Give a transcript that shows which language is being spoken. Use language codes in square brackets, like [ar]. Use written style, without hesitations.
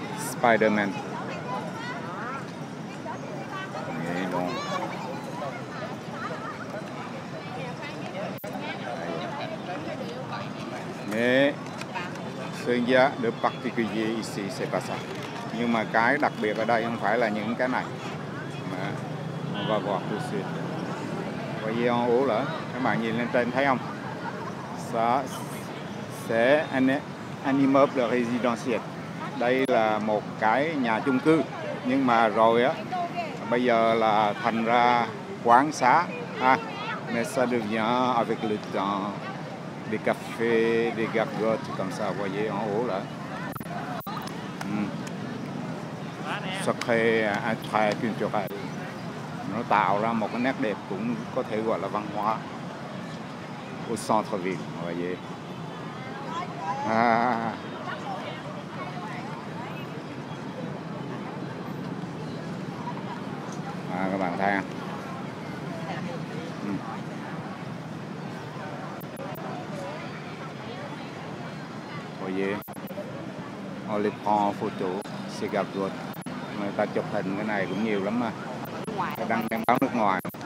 [vi] Spider-Man. Đấy, đúng. [fr] Mais ce qu'il y a de particulier ici, c'est pas ça. [vi] Nhưng mà cái đặc biệt ở đây không phải là những cái này. [fr] Mà on va voir tout de suite. Voyez en haut là, [vi] các bạn nhìn lên trên thấy không? [fr] Ça, c'est un immeuble résidentiel. [vi] Đây là một cái nhà chung cư, nhưng mà rồi á bây giờ là thành ra quán xá ha. [fr] Mais ça devient avec le temps des cafés, des gargotes comme ça, vous voyez en haut là. Ça crée un trait culturel. [vi] Nó tạo ra một cái nét đẹp cũng có thể gọi là văn hóa. [fr] Au centre-ville, vous voyez. [vi] Các bạn thấy không? [fr] Voyez. On les prend photo, c'est [vi] gặp luôn. Người ta chụp hình cái này cũng nhiều lắm mà. Đăng trên báo nước ngoài.